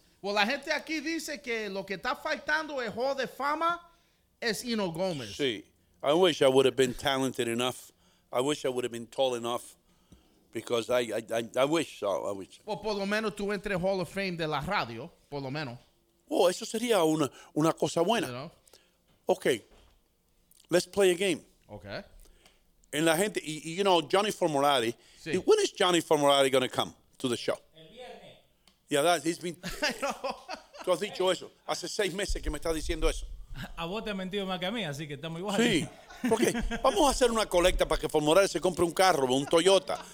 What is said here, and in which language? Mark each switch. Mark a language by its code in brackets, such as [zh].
[es] Well, la gente aquí dice que lo que está faltando es Hall de Fama es Hino Gomez. Sí. [en] I wish I would have been talented enough. I wish I would have been tall enough because I wish. [es] Well, por lo menos tú entres Hall of Fame de la radio, por lo menos. Oh, eso sería una cosa buena. [en] You know? Okay. Let's play a game. Okay. And [es] la gente, [en] you know, Johnny Formulati. [es] Sí. [en] When is Johnny Formulati going to come to the show? [es] El viernes. [en] Yeah, he's been... I know. [es] Tú has dicho eso. Hace seis meses que me estás diciendo eso. A vos te has mentido más que a mí, así que estamos igual. Sí. Ok, vamos a hacer una colecta para que Formulario se compre un carro, un Toyota.